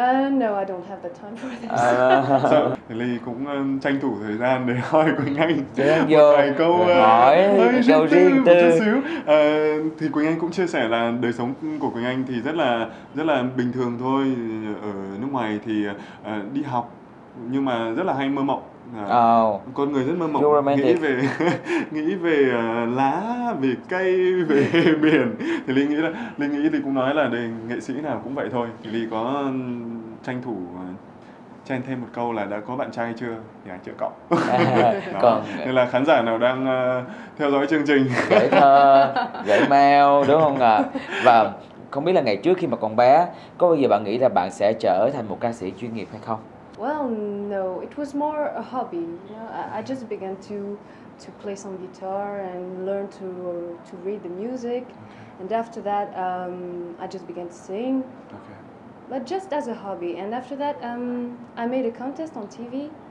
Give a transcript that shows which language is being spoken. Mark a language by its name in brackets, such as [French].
[English] No, I don't have the time for this. [Vietnamese] So Ly cũng tranh thủ thời gian để hỏi Quỳnh Anh một vài câu riêng tư. Thì Quỳnh Anh cũng chia sẻ là đời sống của Quỳnh Anh thì rất là bình thường thôi. Ở nước ngoài thì đi học, nhưng mà rất là hay mơ mộng Con người rất mơ mộng, nghĩ về lá, về cây, về biển. Thì Ly nghĩ là Ly cũng nói là đây, nghệ sĩ nào cũng vậy thôi. Thì Ly có tranh thủ chen thêm một câu là đã có bạn trai chưa? Thì anh chưa cậu. Còn nên là khán giả nào đang theo dõi chương trình gửi thơ, gửi mail đúng không ạ? Và không biết là ngày trước khi mà còn bé, có bao giờ bạn nghĩ là bạn sẽ trở thành một ca sĩ chuyên nghiệp hay không? [English] Well, no, it was more a hobby. You know, I just began to play some guitar and learn to read the music. Okay. And after that, I just began to sing. Okay. But just as a hobby. And after that, I made a contest on TV.